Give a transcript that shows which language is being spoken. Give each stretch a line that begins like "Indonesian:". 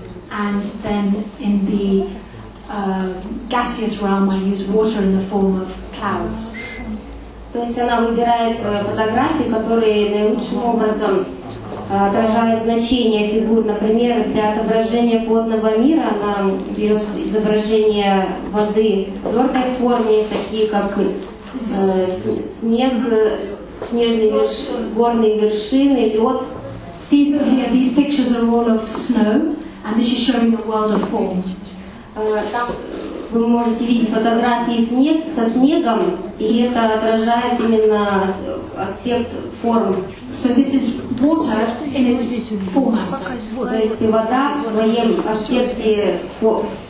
English: And then in the gaseous realm, I use water in the form of clouds.
Russian: То есть она выбирает фотографии, которые наилучшим образом отражают значение фигур. Например, для отображения водного мира она берет изображение воды в твердой форме, такие как снег, снежные горные вершины, лед.
English: These pictures are all of snow, and this is showing the world of form.
Russian: Там вы можете видеть фотографии снег со снегом, и это отражает именно аспект форм.
English: So this is water in its form.
Russian: То есть вода в своем аспекте формы.